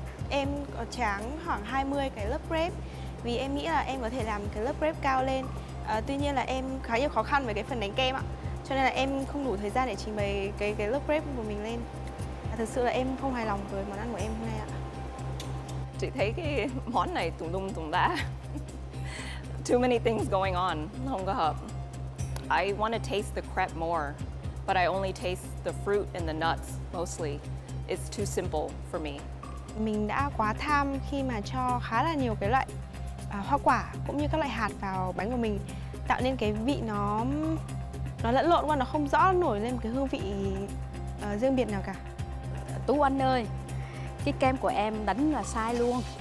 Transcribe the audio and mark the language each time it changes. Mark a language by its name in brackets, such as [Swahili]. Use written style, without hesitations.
[Vietnamese] Em có tráng khoảng 20 cái lớp crepe vì em nghĩ là em có thể làm cái lớp crepe cao lên. Tuy nhiên là em khá nhiều khó khăn với cái phần đánh kem ạ. Cho nên là em không đủ thời gian để trình bày cái lớp crepe của mình lên. Thật sự là em không hài lòng với món ăn của em hôm nay ạ. Chị thấy cái món này tùng lum tùng đá. [English] Too many things going on. [Vietnamese] Không có hợp. [English] I want to taste the crepe more, but I only taste the fruit and the nuts mostly. It's too simple for me. [Vietnamese] Mình đã quá tham khi mà cho khá là nhiều cái loại hoa quả cũng như các loại hạt vào bánh của mình, tạo nên cái vị nó lẫn lộn quá, nó không rõ nổi lên một cái hương vị riêng biệt nào cả. Tú Anh ơi, cái kem của em đánh là sai luôn.